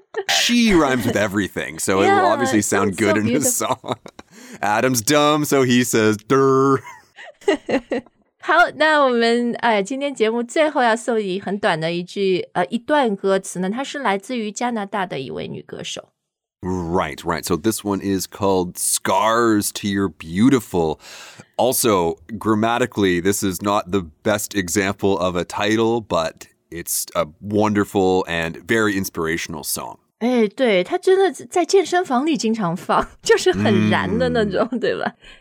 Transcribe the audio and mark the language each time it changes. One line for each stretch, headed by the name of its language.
English: She rhymes with everything, so yeah, it will obviously sound good so in his song. Adam's dumb, so he says durr.
Chinese: 好，那我们今天节目最后要送你很短的一句一段歌词呢，它是来自于加拿大的一位女歌手。
English: Right, right. So this one is called Scars to Your Beautiful. Also, grammatically, this is not the best example of a title, but it's a wonderful and very inspirational song.
Chinese: 哎，对，它真的在健身房里经常放，就是很燃的那种，对吧？